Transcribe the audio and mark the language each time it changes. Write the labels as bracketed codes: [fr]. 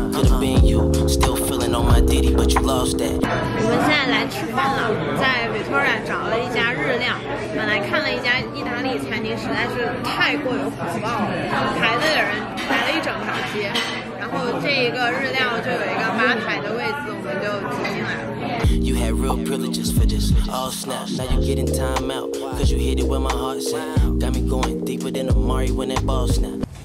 [en] Could've been you, still feeling on my ditty, but you lost that. [zh] 我们现在来吃饭了，在 Victoria 找了一家日料，本来看了一家意大利餐厅，实在是太过于火爆了，排队的人排了一整条街，然后这一个日料就有一个吧台的位置，我们就挤进来了。 [en] You had real privileges for this. All snaps. Now you getting time out. Cause you hit it where my heart's at. Got me going deeper than a Mari when that ball snap.